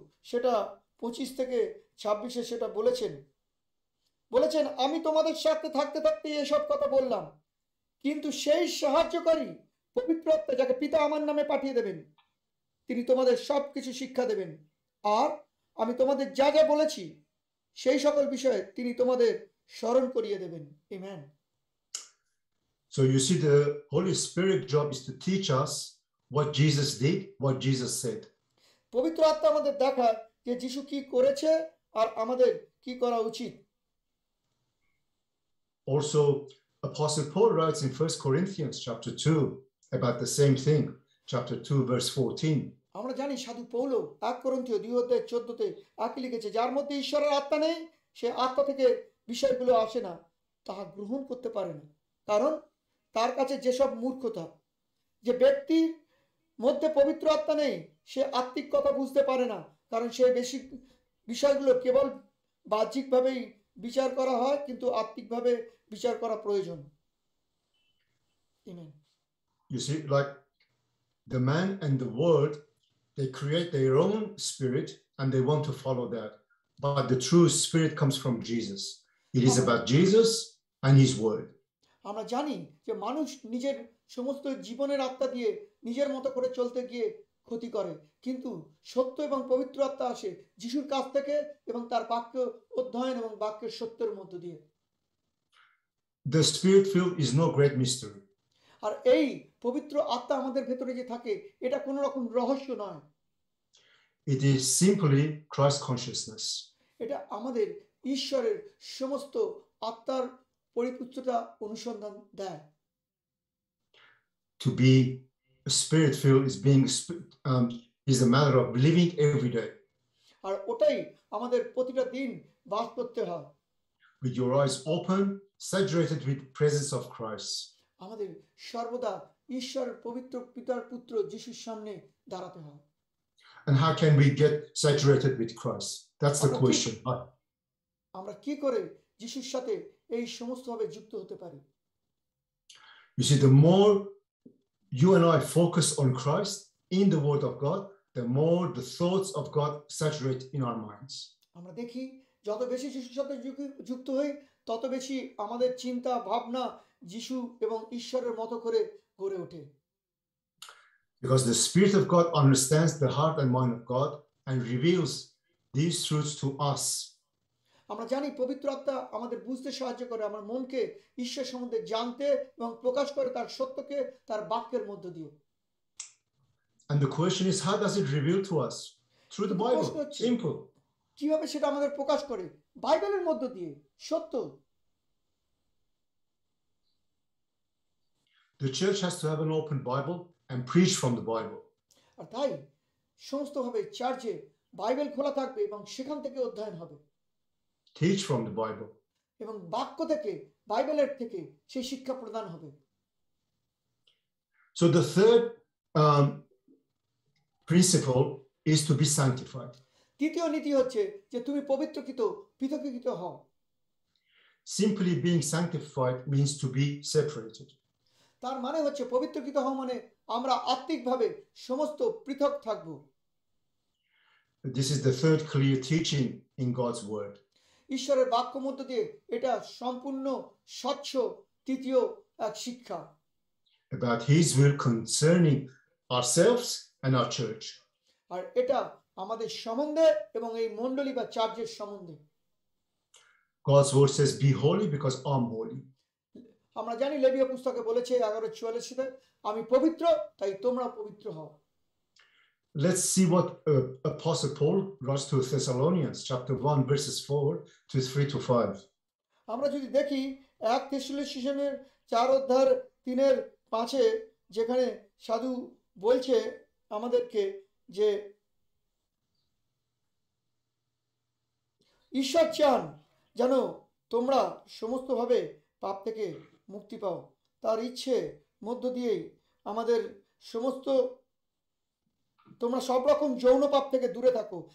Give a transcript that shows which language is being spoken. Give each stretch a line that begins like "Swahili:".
Bangla: সেটা 25 থেকে 26 সেটা বলেছেন, আমি তোমাদের সাথে থাকতে থাকতে এসব কথা বললাম, কিন্তু সেই সাহায্যকারী পবিত্র আত্মা যাকে পিতা আমার নামে পাঠিয়ে দেবেন, তিনি তোমাদের সব কিছু শিক্ষা দেবেন, আর আমি তোমাদের যা যা বলেছি সেই সকল বিষয়ে তিনি তোমাদের স্মরণ করিয়ে দেবেন। Amen.
English: So you see, the Holy Spirit's job is to teach us what Jesus did, what Jesus said.
Bangla: পবিত্র আত্মা আমাদের দেখায় যে যিশু কি করেছে আর আমাদের কি করা উচিত।
English: Also, Apostle Paul writes in 1 Corinthians chapter 2 about the same thing, chapter 2 verse 14.
Bangla: আমরা জানি সাধু পৌলও 1 করিন্থীয় 2 অধ্যায় 14 তে একই লিখেছে, যার মধ্যে ঈশ্বরের আত্মা নেই সে আত্মা থেকে বিষয়গুলো আসে না, তাহা গ্রহণ করতে পারে না, কারণ তার কাছে যেসব মূর্খতা। যে ব্যক্তির মধ্যে পবিত্র আত্মা নেই সে আত্মিক কথা বুঝতে পারে না, কারণ সে বেশি বিষয়গুলো কেবল বাহ্যিকভাবেই বিচার করা হয়, কিন্তু আত্মিকভাবে বিচার করা প্রয়োজন। Amen.
English: You see, like the man and the world, they create their own spirit and they want to follow that. But the true spirit comes from Jesus. It is about Jesus and his word.
Bangla: আমরা জানি যে মানুষ নিজের সমস্ত জীবনের আত্মা দিয়ে নিজের মতো করে চলতে গিয়ে ক্ষতি করে, কিন্তু সত্য এবং পবিত্র আত্মা আসে যিশুর কাছ থেকে এবং তার বাক্য অধ্যয়ন এবং বাক্যের সত্যের মধ্য দিয়ে।
English: The spirit filled is no great mystery.
Bangla: আর এই পবিত্র আত্মা আমাদের ভেতরে যে থাকে এটা কোনো রকম রহস্য নয়।
English: It is simply Christ consciousness.
Bangla: এটা আমাদের ঈশ্বরের সমস্ত আত্মার পরিপুষ্টতা অনুসন্ধান দেয়।
English: To be spirit filled is being is a matter of believing every day.
Bangla: আর ওটাই আমাদের প্রতিটা দিন বাস করতে হয়।
English: With your eyes open, saturated with presence of Christ.
Bangla: আমাদের সর্বদা ঈশ্বরের পবিত্র পিতার পুত্র যিশুর সামনে দাঁড়াতে হয়।
English: And how can we get saturated with Christ? That's the question.
Bangla: আমরা কি করে যিশুর সাথে এই সমস্ত ভাবে যুক্ত হতে পারি?
English: You see, the more you and I focus on Christ in the word of God, the more the thoughts of God saturate in our minds.
Bangla: আমরা দেখি যত বেশি যিশুর সাথে যুক্ত হই তত বেশি আমাদের চিন্তা ভাবনা যিশু এবং ঈশ্বরের মতো করে গড়ে ওঠে।
English: Because the Spirit of God understands the heart and mind of God and reveals these truths to us.
Bangla: আমরা জানি পবিত্র আত্মা আমাদের বুঝতে সাহায্য করে, আমার মনকে ঈশ্বর সম্বন্ধে জানতে এবং প্রকাশ করে তার সত্যকে তার বাক্যের মধ্য দিয়ে।
English: And the question is, how does it reveal to us? Through the Bible. Simple.
Bangla: কিভাবে সেটা আমাদের প্রকাশ করে? বাইবেলের মধ্য দিয়ে সত্য।
English: The church has to have an open Bible and preach from the Bible.
Bangla: আর তাই সমস্ত ভাবে চার্চে বাইবেল খোলা থাকবে এবং সেখান থেকে অধ্যয়ন হবে।
English: Teach from the Bible.
Bangla: এবং বাক্য থেকে বাইবেলের থেকে সেই শিক্ষা প্রদান হবে।
English: So the third principle is to be sanctified.
Bangla: তৃতীয় নীতি হচ্ছে যে তুমি পবিত্রকৃত পৃথকীকৃত হও।
English: Simply being sanctified means to be separated.
Bangla: তার মানে হচ্ছে পবিত্রকৃত হওয়া মানে আমরা আত্মিকভাবে সমস্ত পৃথক থাকব।
English: This is the third clear teaching in God's word.
Bangla: ঈশ্বরের বাক্য মধ্যে দিয়ে এটা সম্পূর্ণ স্বচ্ছ তৃতীয় এক শিক্ষা।
English: About his will concerning ourselves and our church.
Bangla: আর এটা আমাদের সম্বন্ধে এবং এই মণ্ডলী বা চার্চের সম্বন্ধে।
English: God's word says be holy because I'm holy.
Bangla: আমরা জানি লেবীয় পুস্তকে বলেছে 11:44 আমি পবিত্র তাই তোমরা পবিত্র হও।
English: Let's see what Apostle Paul writes to Thessalonians chapter 1 verses 4 to 3 to 5.
Bangla: আমরা যদি দেখি 1 থেসালোনিকের 4 অধ্যায় 3-এর 5-এ যেখানে সাধু বলছে আমাদেরকে যে ঈশ্বর চান যেন তোমরা সমস্তভাবে পাপ থেকে মুক্তি পাও, তার ইচ্ছে মধ্য দিয়েই আমাদের সমস্ত তোমরা সব রকম যৌন পাপ থেকে দূরে থাকো।